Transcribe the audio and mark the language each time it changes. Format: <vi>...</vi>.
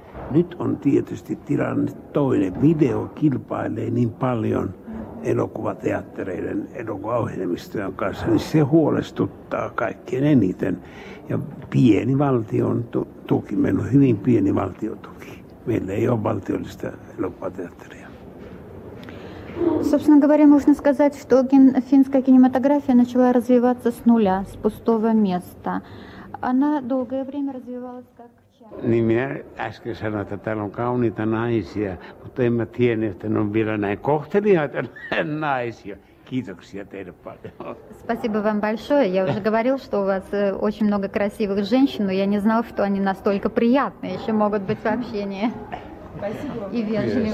<fi>Nyt on tietysti tilanne toinen. Video kilpailee niin paljon elokuvateattereiden elokuvaohjelmistojen kanssa, niin se huolestuttaa kaikkein eniten. Ja pieni valtion tuki, meillä on hyvin pieni valtiotuki. Meillä ei ole valtiollista elokuvateatteria.</fi> <ru>Собственно говоря, можно сказать, что финская кинематография начала развиваться с нуля, с пустого места. Она долгое время развивалась как...</ru> <fi>Niin minä äsken sanoin, että täällä on kauniita naisia, mutta en mä tiennyt, että ne on vielä näin kohteliaita naisia. Kiitoksia teille paljon.</fi> <ru>Спасибо вам большое. Я уже говорил, что у вас очень много красивых женщин, но я не знал, что они настолько приятные еще могут быть в общении. Спасибо. И вежливые.</ru>